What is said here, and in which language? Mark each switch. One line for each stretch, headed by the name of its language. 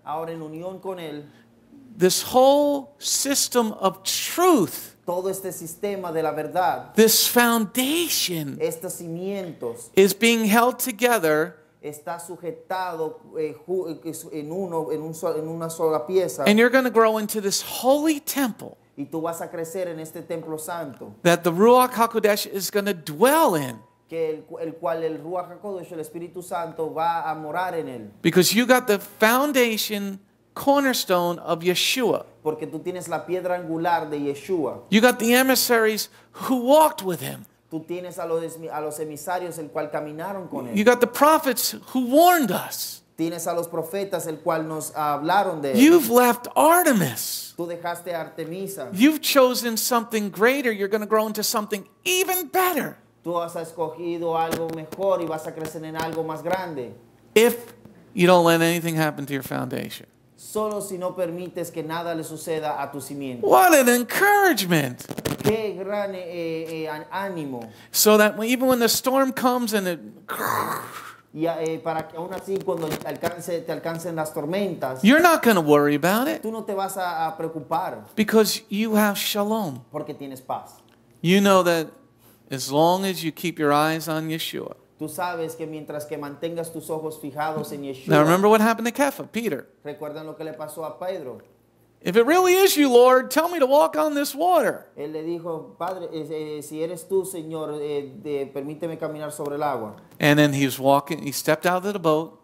Spanish: Ahora en unión con él.
English: This whole system of truth.
Spanish: Todo este sistema de la verdad.
English: This foundation.
Spanish: Estos cimientos.
English: Is being held together.
Spanish: Está sujetado en uno en un solo en una sola pieza.
English: And you're going to grow into this holy temple.
Spanish: Y tú vas a crecer en este templo santo.
English: That the Ruach HaKodesh is going to dwell in.
Spanish: Que el cual el Ruach HaKodesh, el Espíritu Santo, va a morar en él.
English: Because you got the foundation cornerstone of Yeshua.
Spanish: Porque tú tienes la piedra angular de Yeshua.
English: You got the emissaries who walked with him.
Spanish: Tú tienes a los emisarios el cual caminaron con él.
English: You got the prophets who warned us.
Spanish: Tienes a los profetas el cual nos hablaron de él.
English: You've left Artemis.
Spanish: Tú dejaste a Artemisa.
English: You've chosen something greater. You're going to grow into something even better.
Spanish: Tú has escogido algo mejor y vas a crecer en algo más grande.
English: If you don't let anything happen to your foundation.
Spanish: Solo si no permites que nada le suceda a tu cimiento.
English: What an encouragement!
Spanish: Qué gran ánimo.
English: So that even when the storm comes and it.
Spanish: Y para que aún así cuando te alcancen las tormentas.
English: You're not going to worry about it.
Spanish: Tú no te vas a preocupar.
English: Because you have shalom.
Spanish: Porque tienes paz.
English: You know that as long as you keep your eyes on Yeshua.
Spanish: Tú sabes que mientras que mantengas tus ojos fijados en Yeshua.
English: Now remember what happened to Kepha, Peter.
Spanish: ¿Recuerdan lo que le pasó a Pedro?
English: If it really is you, Lord, tell me to walk on this water.
Spanish: Él le dijo, Padre, si eres tú, Señor, permíteme caminar sobre el agua.
English: And then he was walking, he stepped out of the boat.